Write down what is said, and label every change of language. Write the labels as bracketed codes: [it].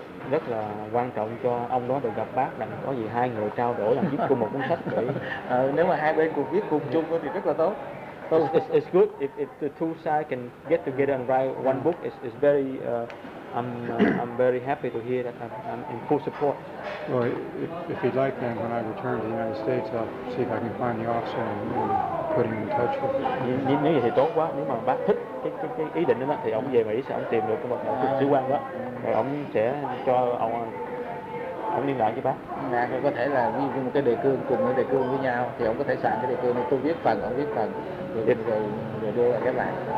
[vi] Rất là quan trọng cho ông đó được gặp bác, đặng có gì hai người trao đổi làm viết cùng một cuốn sách vậy. Nếu mà hai bên cùng viết cùng chung thì rất là tốt. [en] It's good if the two sides can get together and write one book. It's very I'm very happy to hear that. I'm in full support. Well, if you'd like, then when I return to the United States, I'll see if I can find the officer and put him in touch with you. [vi] Nếu vậy thì tốt quá. Nếu mà bác thích cái ý định đó thì ông về Mỹ sẽ ông tìm được cái một cái sứ quan đó, rồi ông sẽ cho ông liên lạc với bác. Dạ, có thể là ví dụ một cái đề cương cùng với đề cương với nhau, thì ông có thể soạn cái đề cương này, tôi viết phần, ông viết phần, rồi đưa lại các bạn.